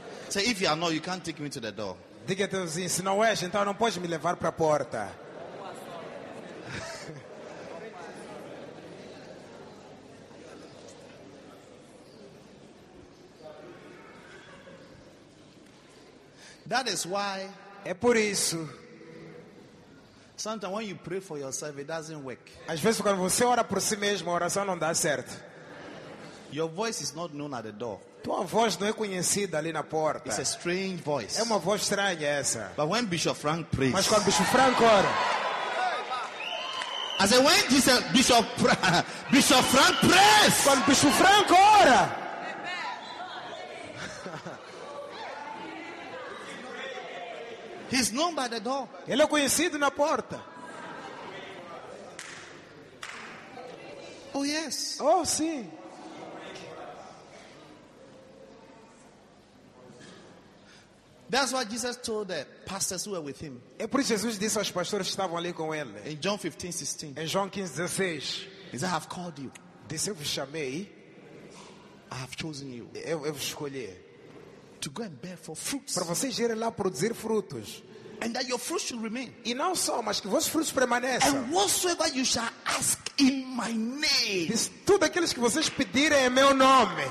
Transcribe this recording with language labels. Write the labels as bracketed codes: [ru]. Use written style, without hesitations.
[en] So if you are not, you can't take me to the door. [pt] Diga teu vizinho, se não és, então não podes me levar para a porta. [en] That is why. [pt] É por isso. [en] Sometimes when you pray for yourself, it doesn't work. [pt] Às vezes quando você ora por si mesmo, a oração não dá certo. [en] Your voice is not known at the door. [pt] Tua voz não é conhecida ali na porta. [en] It's a strange voice. [pt] É uma voz estranha essa. [en] But when Bishop Frank prays. [pt] Mas quando Bishop Frank ora. [en] I said, when Bishop Frank prays. [pt] Quando Bishop Frank ora. [en] He's known by the door. [pt] Ele é conhecido na porta. [en] Oh yes. [pt] Oh sim. [en] That's what Jesus told the pastors who were with him. [pt] É por isso Jesus disse aos pastores que estavam ali com ele. [en] In John 15:16. [pt] Em João 15:16. [en] He said, "I have called you." [pt] Disse, eu vos chamei. [en] I have chosen you. [pt] Eu vos escolhi. [en] To go and bear for fruits. [pt] Para vocês irem lá produzir frutos. [en] And that your fruits should remain. [pt] E não só, mas que vossos frutos permaneçam. [en] And whatsoever you shall ask in my name. [pt] Diz, tudo aquilo que vocês pedirem em meu nome.